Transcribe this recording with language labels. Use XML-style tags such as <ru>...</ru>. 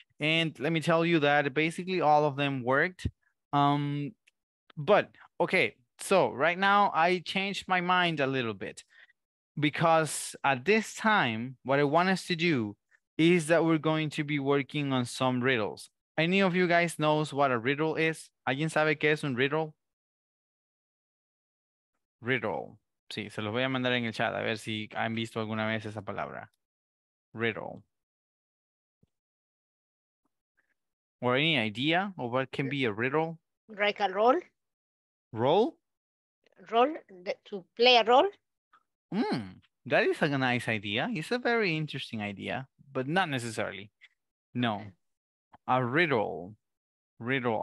<en>And let me tell you that basically all of them worked. But okay, so right now I changed my mind a little bit. Because at this time, what I want us to do is that we're going to be working on some riddles. Any of you guys knows what a riddle is?</en> <es>¿Alguien sabe qué es un riddle?</es> <en>Riddle.</en> <es>Sí, se los voy a mandar en el chat a ver si han visto alguna vez esa palabra.</es> <en>Riddle. Or any idea of what can be a riddle? Like a role. Role? Role, to play a role. Mm, that is a nice idea. It's a very interesting idea, but not necessarily. No. A riddle. Riddle.</en>